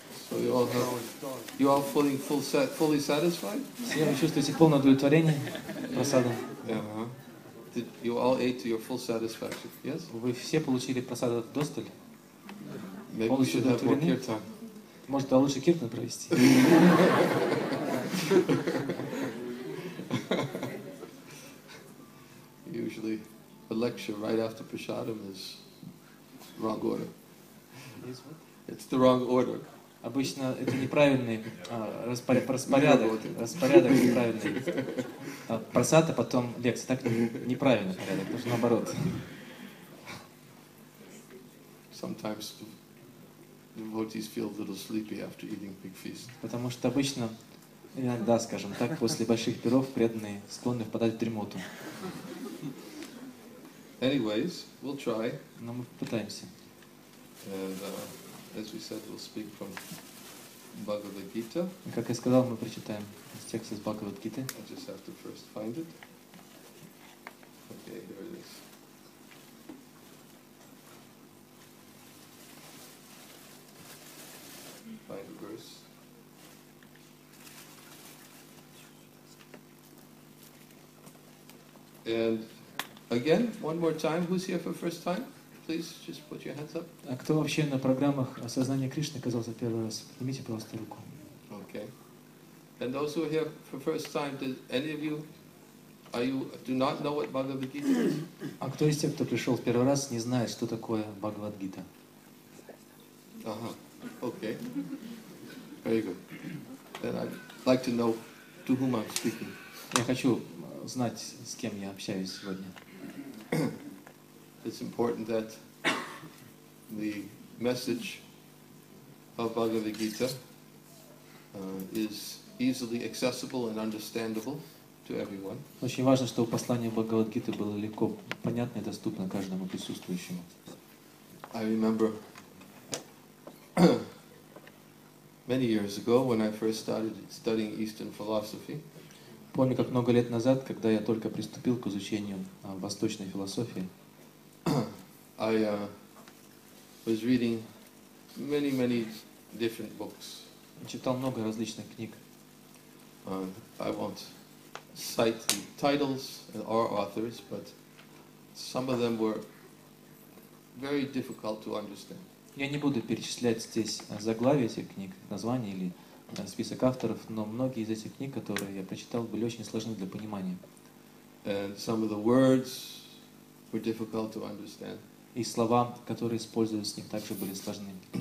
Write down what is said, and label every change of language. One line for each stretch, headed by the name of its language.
English: So you all have, you all fully, fully satisfied?
Russian: Все вы чувствуете полное удовлетворение прасадом?
English: Did you all ate to your full satisfaction? Yes.
Russian: Вы все получили просад досталь? полностью удовлетворены. Может, да, лучше Киртан провести?
English: Usually a lecture right after prasadam is wrong order. It's the wrong order.
Russian: Обычно это неправильный распорядок неправильный. Прасад, а потом лекция. Так неправильный порядок, даже наоборот.
English: Sometimes devotees feel a little sleepy after eating big feast.
Russian: Потому что обычно, иногда, скажем так, после больших пиров преданные склонны впадать в дремоту.
English: Anyways, we'll try.
Russian: Но мы попытаемся.
English: And as we said, we'll speak from Bhagavad Gita.
Russian: Как я сказал, мы прочитаем текст из Бхагавад Гиты.
English: I just have to first find it. Okay, here it is. Find a verse. And again, one more time, who's here for first time? Please just put your hands up.
Russian: А кто вообще на программах осознания Кришны оказался первый раз? Поднимите, пожалуйста, руку.
English: Okay. And those who are here for first time, did any of you, are you, do not know what Bhagavad Gita is?
Russian: А кто из тех, кто пришел в первый раз, не знает, что такое Бхагавад Гита?
English: Ага. Okay. Very good. Then I'd like to know to whom I'm speaking.
Russian: Я хочу знать, с кем я общаюсь сегодня.
English: It's important that the message of Bhagavad Gita is easily accessible and understandable to everyone.
Russian: Очень важно, чтобы послание Бхагавад Гиты было легко понятно и доступно каждому присутствующему.
English: I remember many years ago when I first started studying Eastern philosophy.
Russian: Помню, как много лет назад, когда я только приступил к изучению восточной философии.
English: I was reading many, many different books.
Russian: Читал много различных книг.
English: I won't cite the titles or authors, but some of them were very difficult to understand.
Russian: Я не буду перечислять здесь заглавия этих книг, названия или список авторов, но многие из этих книг, которые я прочитал, были очень сложны для понимания.
English: And some of the words were difficult to understand.
Russian: И слова, которые использовались в них, также были сложны.